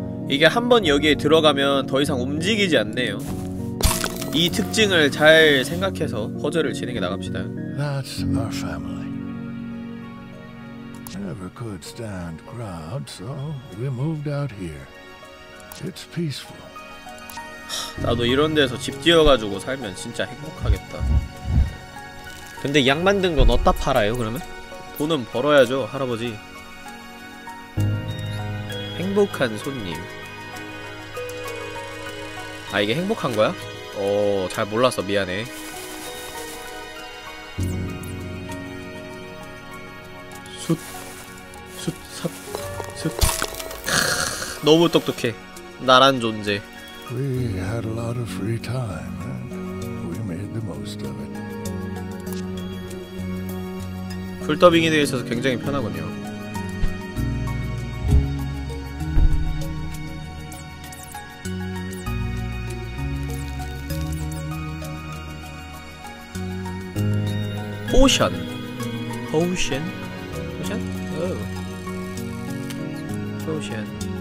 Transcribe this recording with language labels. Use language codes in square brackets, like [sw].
[ko] 이게 한번 여기에 들어가면 더 이상 움직이지 않네요. 이 특징을 잘 생각해서 퍼즐을 진행해 나갑시다. [en] That's our family. Never could stand crowd, so we moved out here. It's peaceful. [ko] 나도 이런 데서 집 지어가지고 살면 진짜 행복하겠다. 근데 약 만든 건 어디다 팔아요, 그러면? 돈은 벌어야죠, 할아버지. 행복한 손님. 아, 이게 행복한 거야? 어, 잘 몰랐어, 미안해. 숯. 크으, 너무 똑똑해. 나란 존재. [en] We had a lot of free time, and we made the most of it. [ko] 풀 더빙에 대해 있어서 굉장히 편하군요. 포션? 오. 포션.